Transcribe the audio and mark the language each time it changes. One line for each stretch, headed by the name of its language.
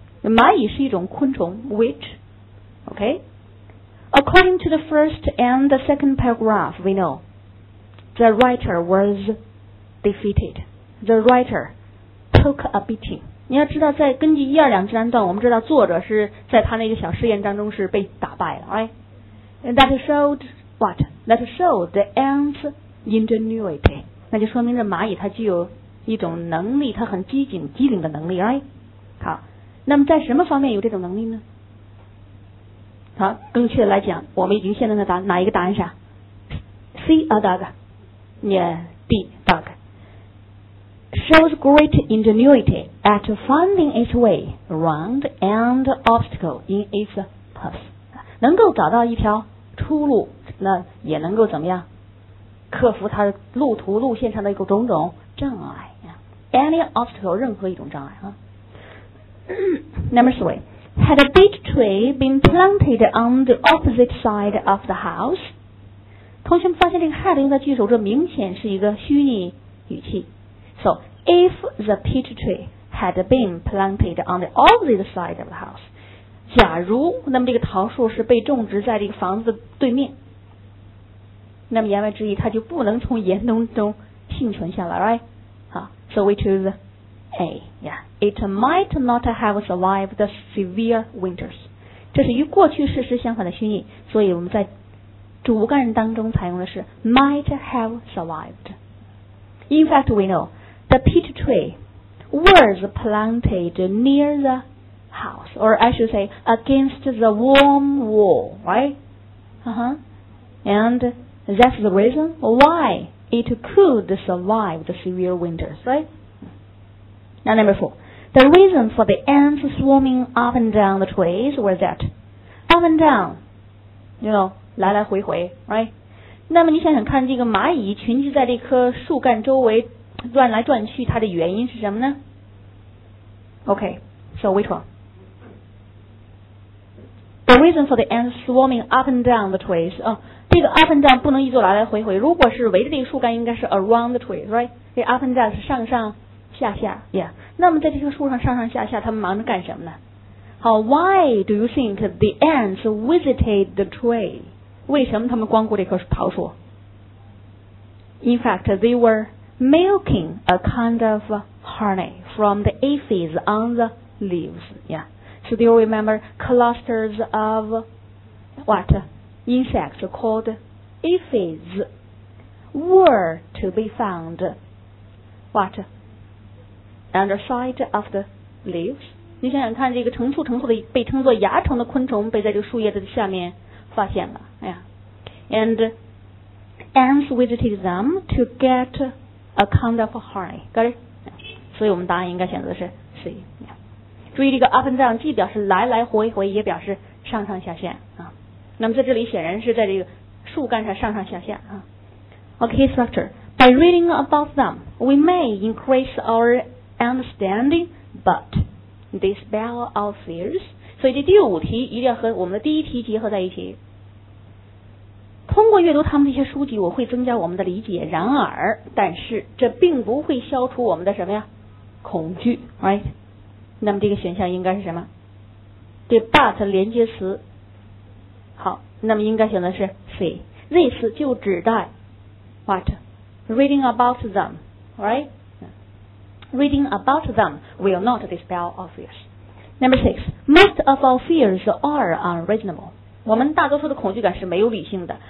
Chinese: 蚂蚁是一种昆虫
English: which OK according to the first and the second paragraph we know the writer was defeated the writer took a beating
Chinese: 你要知道在根据一二两三段我们知道作者是在他那个小试验当中是被打败了
English: right? And that showed what? That showed the ant's ingenuity
Chinese: 那就说明这蚂蚁它具有一种能力它很机警机灵的能力
English: right?
Chinese: 好那么在什么方面有这种能力呢好更确切来讲我们已经现在的答哪一个答案是
English: See a dog Yeah, the dog Shows great ingenuity at finding its way around an obstacle in its path.
Chinese: 能够找到一条出路那也能够怎么样克服它路途路线上的一个种种障碍
English: Any obstacle
Chinese: 任何一种障碍啊。
English: Number three. Had a beech tree been planted on the opposite side of the house?
Chinese: 同学们发现这个 had 用在句首这明显是一个虚拟语气。So,
English: if the peach tree had been planted on the opposite side of the house,
Chinese: 假如那么这个桃树是被种植在这个房子对面那么言外之意它就不能从严冬中幸存下来
English: right? So we choose A. Yeah, it might not have survived the severe winters.
Chinese: 这是与过去事实相反的虚拟所以我们在主干当中采用的是
English: might have survived. In fact, we know the peach tree was planted near the house, or I should say, against the warm wall, right? And that's the reason why it could survive the severe winters, right? Now, number four. The reason for the ants swarming up and down the trees was that up and down, you know,
Chinese: 来来回回
English: right?
Chinese: 那么你想想看这个蚂蚁群聚在这棵树干周围转来转去它的原因是什么呢
English: okay so which one the reason for the ants swarming up and down the trees、
Chinese: 这个
English: up and down
Chinese: 不能一直来来回回如果是围着这个树干应该是
English: around the trees right
Chinese: 这 up and down 是上上下下
English: yeah
Chinese: 那么在这棵树上上上下下它们忙着干什么呢好
English: why do you think the ants visited the tree
Chinese: 为什么它们光顾这棵桃树
English: in fact they wereMilking a kind of honey from the aphids on the leaves. Yeah. So do you remember clusters of what? Insects called aphids were to be found what? On the side of the leaves.
Chinese: 你想想看这个成簇成簇的被称作蚜虫的昆虫被在这个树叶的下面发现了。
English: Yeah. And ants visited them to get... A kind of honey, got it?
Chinese: 所以我们答案应该选择的是 C.、注意这个
English: up and down
Chinese: 既表示来来回回也表示上上下下、那么在这里显然是在这个树干上上上下下、
English: OK, instructor, by reading about them, we may increase our understanding, but dispel our fears.
Chinese: 所以这第五题一定要和我们的第一题结合在一起。通过阅读他们这些书籍我会增加我们的理解然而但是这并不会消除我们的什么呀恐惧
English: right
Chinese: 那么这个选项应该是什么对 but 连接词好那么应该选择是 C this 就指代 what
English: reading about them right reading about them will not dispel our fears number 6 most of our fears are unreasonable
Chinese: 我们大多数的恐惧感是没有理性的